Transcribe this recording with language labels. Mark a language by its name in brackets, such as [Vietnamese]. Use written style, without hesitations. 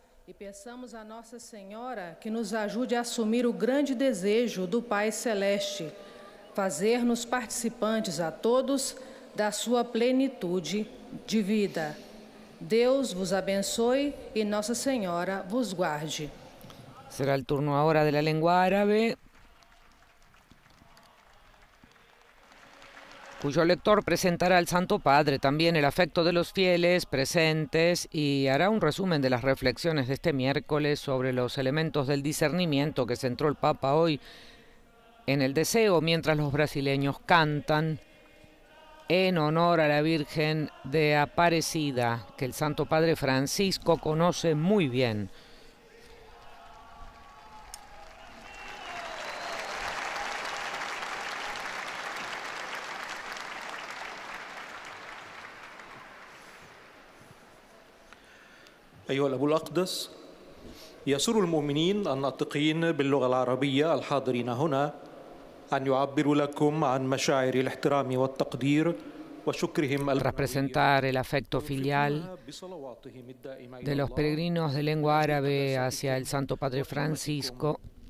[Portuguese] E peçamos a Nossa Senhora que nos ajude a assumir o grande desejo do Pai Celeste, fazer-nos participantes a todos da sua plenitude de vida. Deus vos abençoe e Nossa Senhora vos guarde. Será o turno agora da língua árabe, [Spanish] cuyo lector presentará al Santo Padre también el afecto de los fieles presentes y hará un resumen de las reflexiones de este miércoles sobre los elementos del discernimiento que centró el Papa hoy en el deseo mientras los brasileños cantan en honor a la Virgen de Aparecida, que el Santo Padre Francisco conoce muy bien. [Arabic] أيها الأب الأقدس، يسر المؤمنين الناطقين باللغة العربية الحاضرين هنا أن يعبروا لكم عن مشاعر الاحترام والتقدير وشكرهم. [Spanish] Representar el afecto filial de los peregrinos de lengua árabe hacia el Santo Padre Francisco.